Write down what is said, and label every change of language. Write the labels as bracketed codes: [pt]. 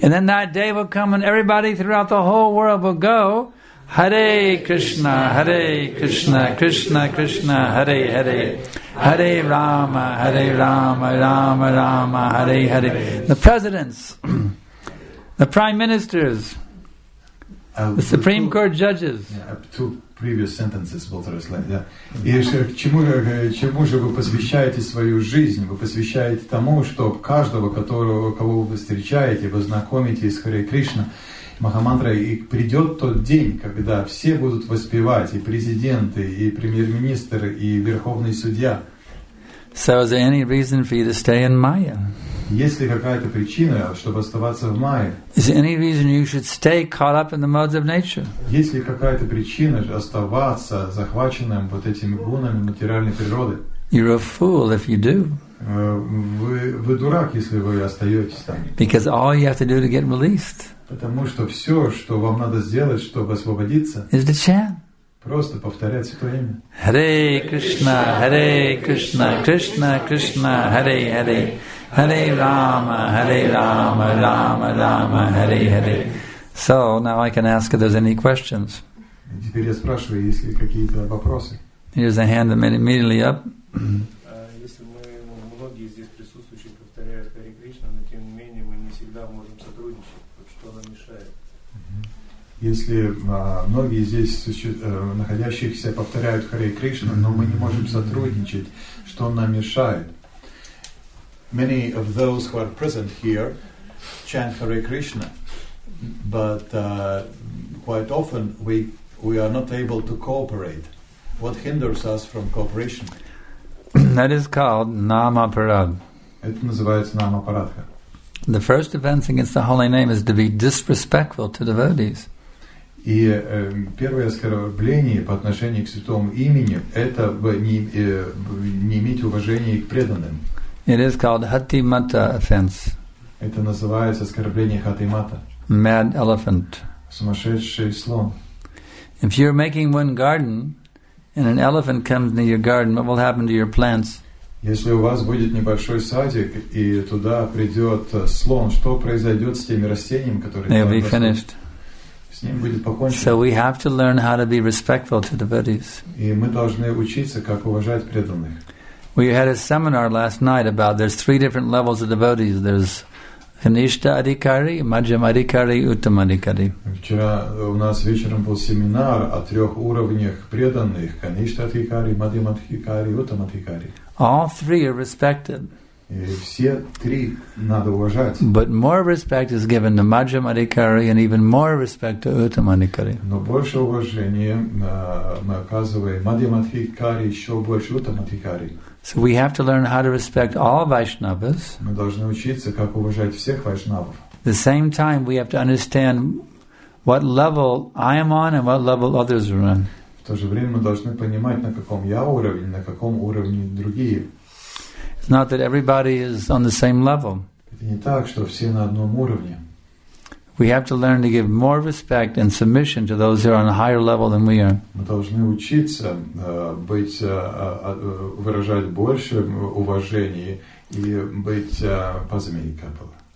[en] And then that day will come and everybody throughout the whole world will go [sa] Hare Krishna, Hare Krishna, Krishna Krishna, Hare Hare. Hare Rama, Hare Rama, Rama Rama, Hare Hare. [en] The presidents, the prime ministers, the Supreme Court judges. Two previous sentences will translate. Yeah. [ru] И чему же вы посвящаете свою жизнь? Вы посвящаете тому, чтобы каждого, кого вы встречаете, вы знакомитесь с Харе Кришна. Махамантрой, и придет тот день, когда все будут воспевать, и президенты, и премьер-министр, и верховный судья. [en] So is there any reason for you to stay in Maya? [ru] Есть ли какая-то причина, чтобы оставаться в Майе? [en] Is there any reason you should stay caught up in the modes of nature? [ru] Есть ли какая-то причина оставаться захваченным вот этими гунами материальной природы? [en] You're a fool if you do. [ru] Вы дурак, если вы остаетесь там. [en] Because all you have to do to get released. [ru] Потому что все, что вам надо сделать, чтобы освободиться, [en] is to chant. [ru] Просто повторять святое имя. [sa] Hare Krishna, Hare Krishna, Krishna Krishna, Hare Hare. Hare Rama, Hare Rama, Rama Rama, Hare Hare. [en] So now I can ask if there's any questions. [ru] Теперь я спрашиваю, есть ли какие-то вопросы. [en] Here's a hand that made immediately up. [ru] Если мы, многие здесь присутствующие, повторяют Hare Krishna, но тем не менее мы не всегда можем сотрудничать, что нам мешает? Если многие здесь находящихся повторяют Hare Krishna, но мы не можем сотрудничать, что нам мешает? [en] Many of those who are present here chant Hare Krishna, but quite often we are not able to cooperate. What hinders us from cooperation? That is called namaparad. [ru] Это называется намапарадха. [en] The first offense against the holy name is to be disrespectful to devotees. [ru] И первое оскорбление по отношению к святому имени – это не иметь уважения к преданным. [en] It is called Hatimata offense. [ru] Это называется оскорбление Хатимата. [en] Mad elephant. [ru] Сумасшедший слон. [en] If you're making one garden and an elephant comes near your garden, what will happen to your plants? [ru] Если у вас будет небольшой садик и туда придет слон, что произойдет с теми растениями, которые? [en] They'll be finished. [ru] С ним будет покончено. [en] So we have to learn how to be respectful to devotees. [ru] И мы должны учиться, как уважать преданных. [en] We had a seminar last night about there's three different levels of devotees. There's Kanishta Adhikari, Madhyam Adhikari, Uttam Adhikari. [ru] Вчера у нас вечером был семинар о трех уровнях преданных: Kanishta Adhikari, Madhyam Adhikari, Uttam Adhikari. [en] All three are respected. [ru] Все три надо уважать. [en] But more respect is given to Madhyam Adhikari and even more respect to Uttam Adhikari. [ru] Но больше уважения мы оказываем Madhyam Adhikari, еще больше Uttam Adhikari. [en] So we have to learn how to respect all Vaishnavas. [ru] Мы должны учиться, как уважать всех Вайшнавов. [en] At the same time, we have to understand what level I am on and what level others are on. [ru] В то же время мы должны понимать, на каком я уровне, на каком уровне другие. [en] It's not that everybody is on the same level. [ru] Это не так, что все на одном уровне. [en] We have to learn to give more respect and submission to those who are on a higher level than we are. [ru] Мы должны учиться быть выражать больше уважения и быть позамене капала.